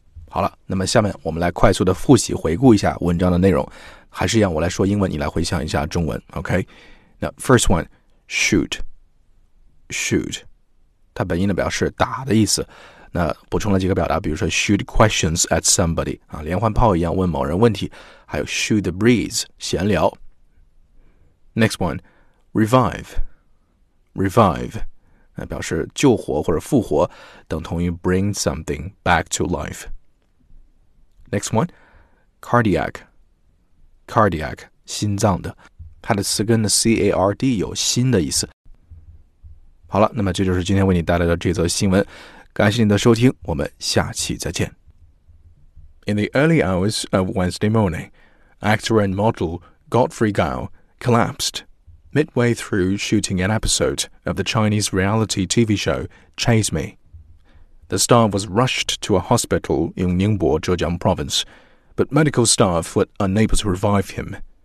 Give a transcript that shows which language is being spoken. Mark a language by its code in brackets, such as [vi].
[zh] 好了，那么下面我们来快速的复习回顾一下文章的内容，还是一样我来说英文，你来回想一下中文。 OK， 那 [en] first one [zh] shoot 它本意的表示打的意思。那补充了几个表达，比如说 [en] shoot questions at somebody [zh] 啊，连环炮一样问某人问题，还有 [en] shoot the breeze [zh] 闲聊。 [en] Next one, [zh] revive, 表示救活或者复活，等同于 [en] bring something back to life. Next one, [zh] cardiac, 心脏的，它的词根的 C-A-R-D 有心的意思。好了，那么这就是今天为你带来的这则新闻，感谢你的收听，我们下期再见。 [en] In the early hours of Wednesday morning, actor and model Godfrey Gao collapsed midway through shooting an episode of the Chinese reality TV show Chase Me. The star was rushed to a hospital in Ningbo, Zhejiang Province, but medical staff were unable to revive him.